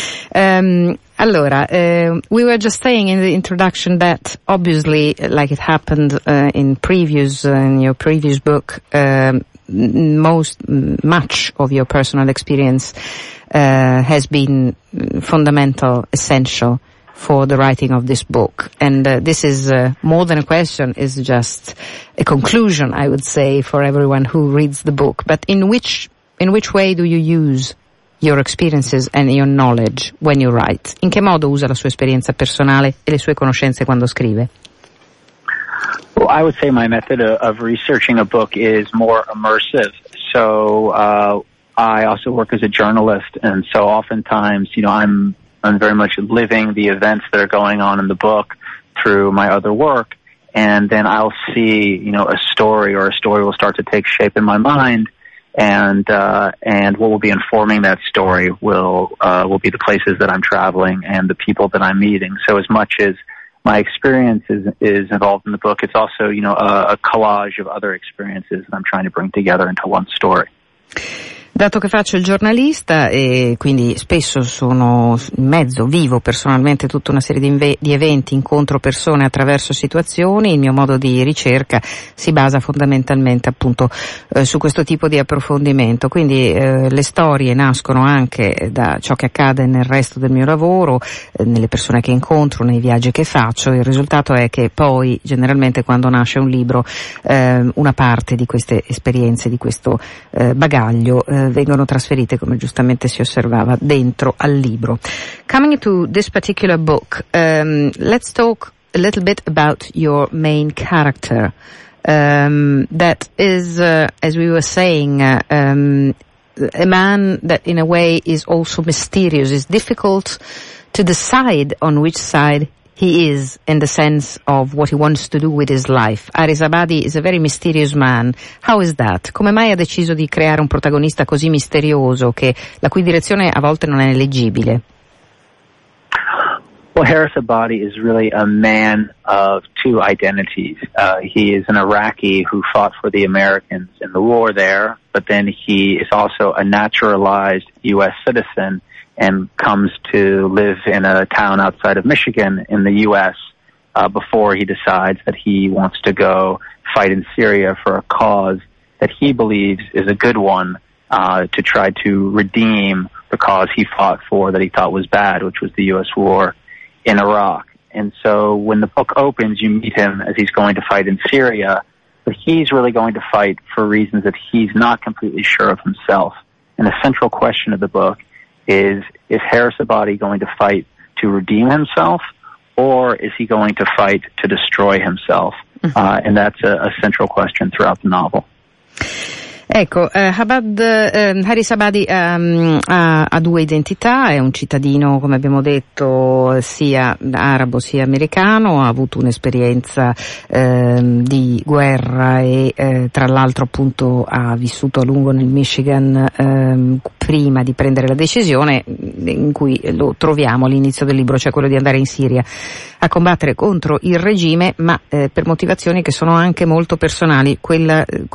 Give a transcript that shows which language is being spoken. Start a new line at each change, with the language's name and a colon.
English: We were just saying in the introduction that obviously, like it happened in your previous book, much of your personal experience has been fundamental, essential for the writing of this book. And this is more than a question, is just a conclusion, I would say, for everyone who reads the book. But in which way do you use your experiences and your knowledge when you write?
Italian: In che modo usa la sua esperienza personale e le sue conoscenze quando scrive?
English: Well, I would say my method of researching a book is more immersive. So I also work as a journalist, and so oftentimes, you know, I'm very much living the events that are going on in the book through my other work, and then I'll see, you know, a story will start to take shape in my mind. And what will be informing that story will be the places that I'm traveling and the people that I'm meeting. So as much as my experience is involved in the book, it's also, you know, a collage of other experiences that I'm trying to bring together into one story.
Italian: Dato che faccio il giornalista e quindi spesso sono in mezzo, vivo personalmente tutta una serie di eventi, incontro persone attraverso situazioni, il mio modo di ricerca si basa fondamentalmente appunto su questo tipo di approfondimento. Quindi le storie nascono anche da ciò che accade nel resto del mio lavoro, nelle persone che incontro, nei viaggi che faccio. Il risultato è che poi generalmente quando nasce un libro una parte di queste esperienze, di questo bagaglio vengono trasferite, come giustamente si osservava, dentro al libro.
English: Coming to this particular book, let's talk a little bit about your main character. That is, as we were saying, a man that in a way is also mysterious. It's difficult to decide on which side he is in the sense of what he wants to do with his life. Aris Abadi is a very mysterious man. How is that? Come mai ha deciso di creare un protagonista così misterioso che la cui direzione a volte non è leggibile? Well, Aris Abadi is really a man of two identities. He is an Iraqi who fought for the Americans in the war there, but then he is also a naturalized U.S. citizen and comes to live in a town outside of Michigan in the U.S. Before he decides that he wants to go fight in Syria for a cause that he believes is a good one, to try to redeem the cause he fought for that he thought was bad, which was the U.S. war in Iraq. And so when the book opens, you meet him as he's going to fight in Syria, but he's really going to fight for reasons that he's not completely sure of himself. And a central question of the book is Aris Abadi going to fight to redeem himself, or is he going to fight to destroy himself? Mm-hmm. And that's a central question throughout the novel.
Italian: Ecco, Aris Abadi ha due identità, è un cittadino, come abbiamo detto, sia arabo sia americano, ha avuto un'esperienza di guerra e tra l'altro appunto ha vissuto a lungo nel Michigan prima di prendere la decisione in cui lo troviamo all'inizio del libro, cioè quello di andare in Siria a combattere contro il regime, ma per motivazioni che sono anche molto personali, quelle